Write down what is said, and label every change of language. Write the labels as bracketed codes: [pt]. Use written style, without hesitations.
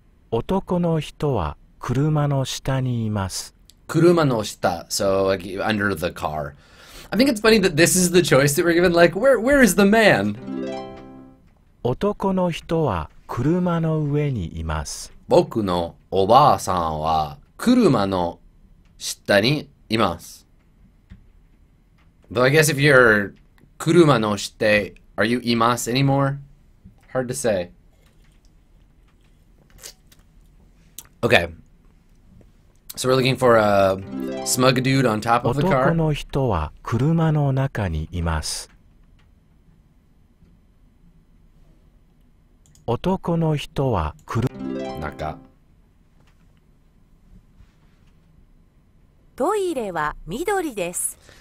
[ja] Otoko no hito wa kuruma no shita ni imasu. Kuruma no shita, [en] so under the car. I think it's funny that this is the choice that we're given, like, where is the man? [ja] Otoko no hito wa kuruma no ue ni imasu. 僕のおばあさんは車の下にいます。 [en] Though I guess if you're [ja] 車の下、 [en] are you います anymore? Hard to say. Okay. So we're looking for a smug dude on top of the car. [ja] 男の人は車の中にいます。男の人は車中。トイレは緑です。